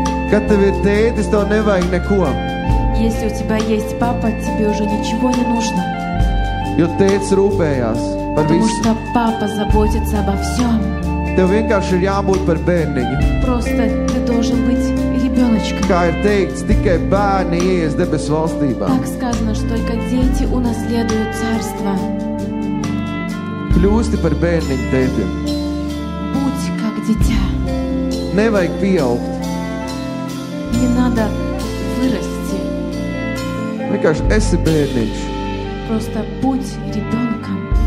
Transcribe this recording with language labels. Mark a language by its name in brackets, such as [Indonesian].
[Latvian] Kad tev ir tētis, tev nevajag neko. [Russian] Если у тебя есть папа, тебе уже ничего не нужно. [Latvian] Jo tēts rūpējās. [Russian] Потому что папа заботится обо всем. [Latvian] Tev vienkārši ir jābūt par bērniņu. [Russian] Просто ты должен быть ребеночком. [Latvian] Kā ir teikts, tikai bērni ies debes valstībā. [Russian] Так сказано, что только дети унаследуют царство. [Latvian] Kļūsti par bērniņu tētim. [Russian] Будь как дитя. [Latvian] Nevajag pieaugt. [Russian] Не надо вырасти. [Latvian] Vienkārši esi bērniņš. [Russian] Просто будь ребенком.